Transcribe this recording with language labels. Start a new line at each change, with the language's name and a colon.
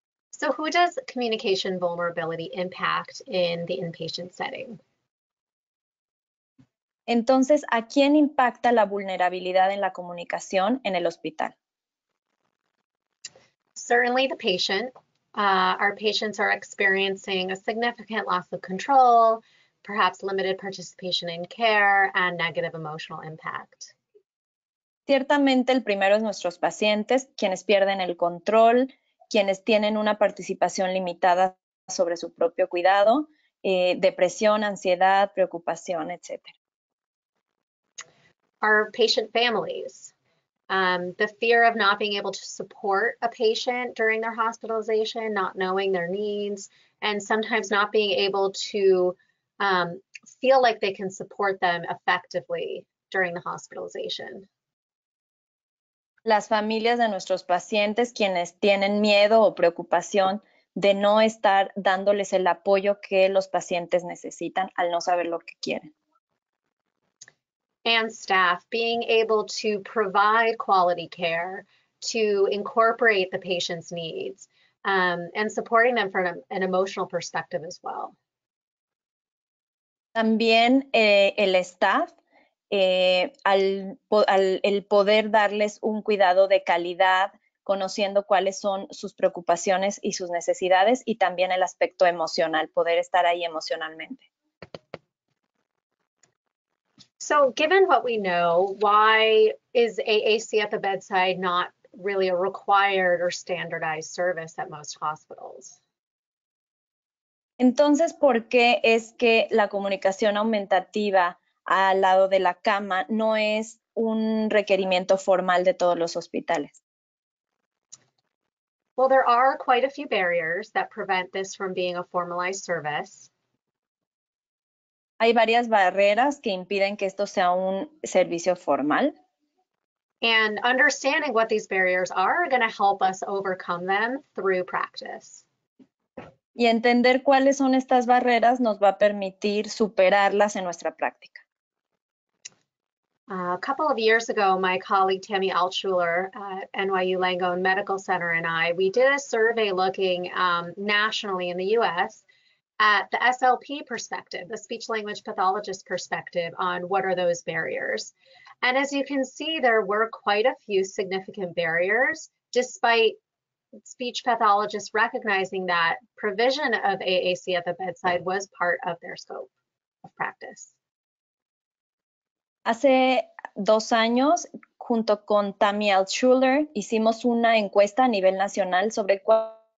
English: So who does communication vulnerability impact in the inpatient setting?
Spanish: Entonces, ¿a quién impacta la vulnerabilidad en la comunicación en el hospital?
English: Certainly the patient. Our patients are experiencing a significant loss of control, perhaps limited participation in care, and negative emotional impact.
Spanish: Ciertamente, el primero es nuestros pacientes, quienes pierden el control, quienes tienen una participación limitada sobre su propio cuidado, depresión, ansiedad, preocupación, etc.
English: Our patient families, the fear of not being able to support a patient during their hospitalization, not knowing their needs, and sometimes not being able to feel like they can support them effectively during the hospitalization.
Spanish: Las familias de nuestros pacientes, quienes tienen miedo o preocupación de no estar dándoles el apoyo que los pacientes necesitan al no saber lo que quieren.
English: And staff, being able to provide quality care, to incorporate the patient's needs, and supporting them from an emotional perspective as well.
Spanish: También el staff, al el poder darles un cuidado de calidad, conociendo cuáles son sus preocupaciones y sus necesidades y también el aspecto emocional, poder estar ahí emocionalmente.
English: So given what we know, why is AAC at the bedside not really a required or standardized service at most hospitals?
Spanish: Entonces, ¿por qué es que la comunicación aumentativa al lado de la cama no es un requerimiento formal de todos los hospitales?
English: Well, there are quite a few barriers that prevent this from being a formalized service.
Spanish: Hay varias barreras que impiden que esto sea un servicio formal.
English: And understanding what these barriers are going to help us overcome them through practice.
Spanish: Y entender cuáles son estas barreras nos va a permitir superarlas en nuestra práctica.
English: A couple of years ago, my colleague Tammy Altshuler at NYU Langone Medical Center and I, we did a survey looking nationally in the U.S. at the SLP perspective, the speech-language pathologist perspective on what are those barriers. And as you can see, there were quite a few significant barriers, despite speech pathologists recognizing that provision of AAC at the bedside was part of their scope of practice.
Spanish: Hace dos años, junto con Tammy Altshuler, hicimos una encuesta a nivel nacional sobre cuál.